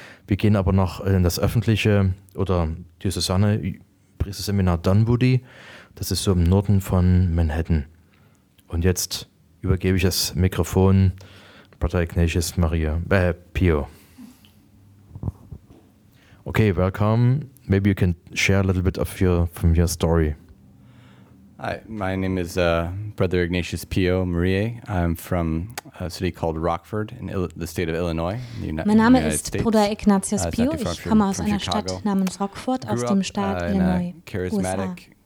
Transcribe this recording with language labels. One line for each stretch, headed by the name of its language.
German: Wir gehen aber noch in das öffentliche oder diözesane Priesterseminar Dunwoody, das ist so im Norden von Manhattan. Und jetzt übergebe ich das Mikrofon Brother Ignatius Maria, Pio.
English: Okay, welcome. Maybe you can share a little bit of your story. Hi, my name is Brother Ignatius Pio Maria. I'm from a city called Rockford in the state of Illinois.
German: Mein Name ist Bruder Ignatius Pio. Ich komme aus einer Stadt namens Rockford aus dem Staat Illinois, USA.